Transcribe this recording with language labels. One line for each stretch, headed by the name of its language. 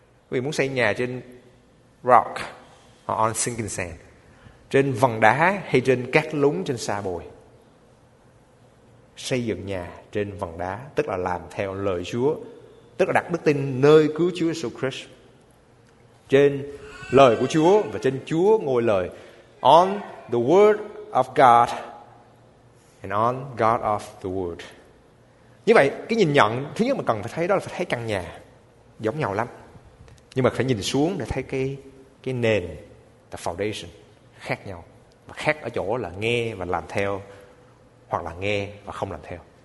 Vietnamese: Quý vị muốn xây nhà trên
English: rock or on sinking sand,
Vietnamese: trên vần đá hay trên cát lún trên sa bồi? Xây dựng nhà trên vần đá tức là làm theo lời Chúa, tức là đặt đức tin nơi cứu Chúa Jesus Christ, trên lời của Chúa và trên Chúa ngôi lời.
English: On the word of God and on God of the word.
Vietnamese: Như vậy, cái nhìn nhận thứ nhất mà cần phải thấy đó là phải thấy căn nhà giống nhau lắm. Nhưng mà phải nhìn xuống để thấy cái nền, the foundation, khác nhau. Và khác ở chỗ là nghe và làm theo, hoặc là nghe và không làm theo.